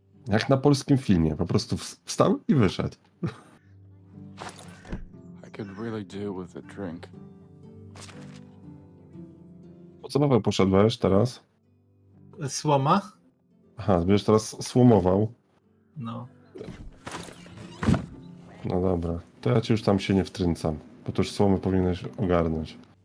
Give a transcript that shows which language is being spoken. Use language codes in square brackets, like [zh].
[pl] Jak na polskim filmie, po prostu wstał i wyszedł. [en] I could really do with a drink. [pl] Po co Paweł poszedłeś teraz? Słoma. Aha, będziesz teraz słomował. No. No dobra, to ja ci już tam się nie wtrącam, bo to już słomy powinieneś ogarnąć.